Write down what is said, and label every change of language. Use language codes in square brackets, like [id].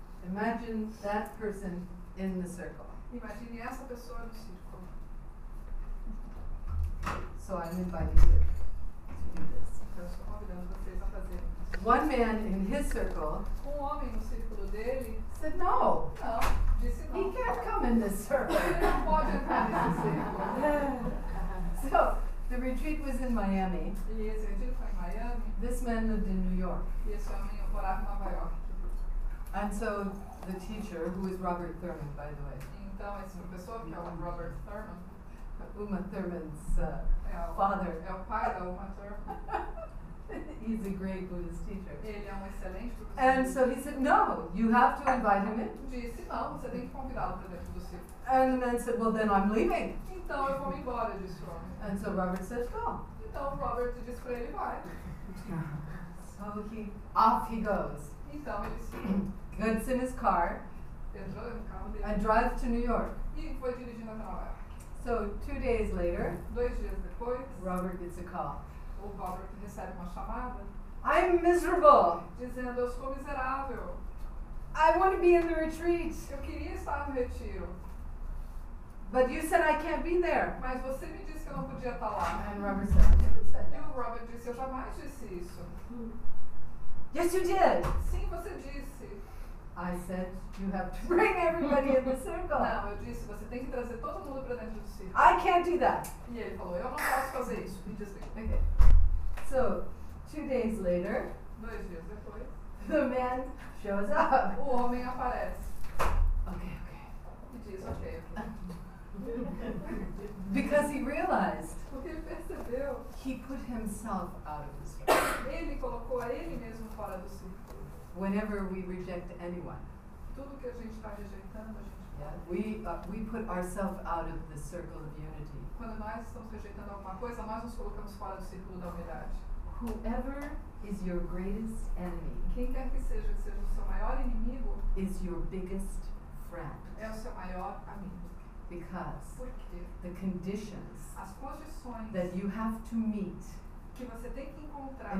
[en] Imagine that person in the circle. [pt] Imagine essa pessoa no círculo. [en] So I'm inviting you to do this. [pt] Então, estou convidando vocês a fazer isso. [en] One man in his circle. [pt] Um homem no círculo dele. [en] Said no. [pt] Não. Disse não. [en] He can't come in this circle. [pt] Ele não pode entrar nesse círculo. [en] So the retreat was in Miami. [pt] E esse retiro foi em Miami. [en] This man lived in New York. [pt] E esse homem morava em Nova York. [en] And so the teacher, who is Robert Thurman, by the way. [pt] Então, esse professor, que é o Robert Thurman. [en] Uma Thurman's father. [pt] É o pai da Uma Thurman. [en] He's a great Buddhist teacher. [pt] Ele é um excelente professor. [en] And so he said, no, you have to invite him in. [pt] Disse, não, você tem que convidá-lo para dentro do círculo. [en] And the man said, well, then I'm leaving. [pt] Então, eu vou me embora, disse o homem. [en] And so Robert said, go. [pt] Então, Robert disse para ele, vai. [en] So he, off he goes. [pt] Então, ele se... [en] gets in his car. [pt] Entrou no carro dele. [en] And drives to New York. [pt] E foi dirigindo até Nova York. [en] So 2 days later, [pt] 2 dias depois, [en] Robert gets a call. [pt] O Robert recebe uma chamada. [en] I'm miserable. [pt] Dizendo, eu sou miserável. [en] I want to be in the retreat. [pt] Eu queria estar no retiro. [en] But you said I can't be there. [pt] Mas você me disse que eu não podia estar lá. [en] And Robert said, I never said that. [pt] E o Robert disse, eu jamais disse isso. [en] Yes, you did. [pt] Sim, você disse. [en] I said, you have to bring everybody in the circle. [pt] Não, eu disse, você tem que trazer todo mundo para dentro do círculo. [en] I can't do that. [pt] E ele falou, eu não posso fazer isso. [en] He just said, okay. So, 2 days later, [pt] 2 dias depois, [en] the man shows up. [pt] O homem aparece. [en] Okay, okay. [pt] E diz, okay. [en] Because he realized. [pt] Porque ele percebeu. [en] He put himself out of the circle. [pt] Ele colocou a ele mesmo fora do círculo. [en] Whenever we reject anyone, [pt] tudo que a gente está rejeitando, a gente [en] we put ourselves out of the circle of unity. [pt] Quando nós estamos rejeitando alguma coisa, nós nos colocamos fora do círculo da unidade. [en] Whoever is your greatest enemy, [pt] quem quer que seja o seu maior inimigo, [en] is your biggest friend. [pt] É o seu maior amigo. [en] Because [pt] porque [en] the conditions, [pt] as condições [en] that you have to meet, [pt] que você tem que encontrar,